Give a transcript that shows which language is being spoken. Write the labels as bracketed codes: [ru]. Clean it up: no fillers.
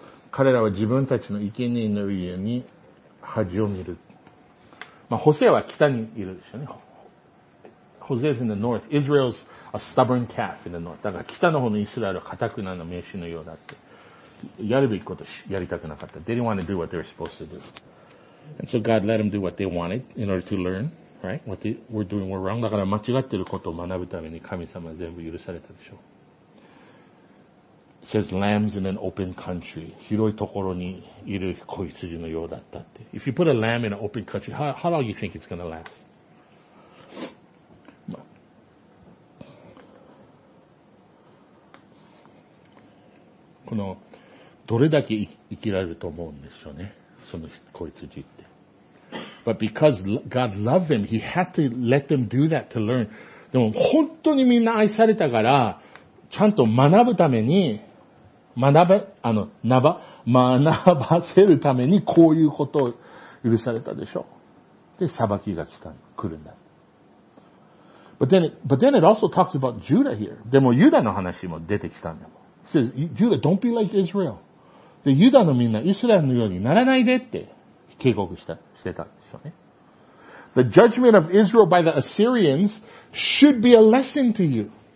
[ja] 彼らは自分たちの生贄の家に恥を見る。まあ、ホセアは北にいるでしょうね。 [en] ホセア is in the north. Israel's a stubborn calf in the north. [ja] だから北の方のイスラエルは固くなる名刺のようだって。やるべきことしやりたくなかった。 [en] They didn't want to do what they were supposed to do. And so God let them do what they wanted in order to learn, right? What they were doing were wrong. [ja] だから間違ってることを学ぶために神様は全部許されたでしょう。 [en] It says lambs in an open country. [ja] 広いところにいる子羊のようだったって。 [en] If you put a lamb in an open country, how long do you think it's going to last? [ja] この、どれだけ生きられると思うんでしょうね。その子羊って。 [en] But because God loved them, He had to let them do that to learn. [ja] でも本当にみんな愛されたから、ちゃんと学ぶために、学ばせるためにこういうことを許されたでしょう。で、裁きが来た、来るんだ。 [en] But then it also talks about Judah here. [ja] でもユダの話も出てきたんだ。 [en] It says, Judah, don't be like Israel. [ja] で、ユダのみんな、イスラエルのようにならないでって警告した、してたんでしょうね。 [en] The judgment of Israel by the Assyrians should be a lesson to you.